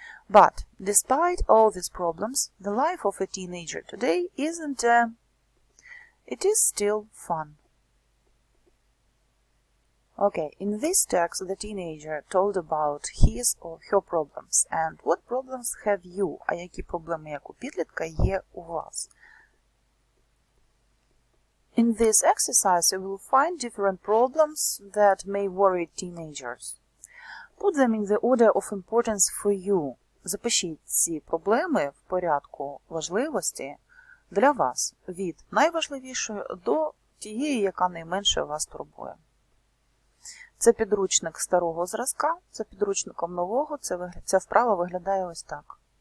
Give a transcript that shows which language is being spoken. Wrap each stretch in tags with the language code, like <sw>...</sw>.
<en>But, despite all these problems, the life of a teenager today isn't a... It is still fun. Okay, in this text, the teenager told about his or her problems. And what problems have you?</en> <uk>А які проблеми, як у підлітка, є у вас?</uk> <en>In this exercise, you will find different problems that may worry teenagers. Put them in the order of importance for you.</en> <uk>Запишіть ці проблеми в порядку важливості для вас від найважливішої до тієї, яка найменше вас турбує. Це підручник старого зразка, це підручником нового, ця вправа виглядає ось так.</uk>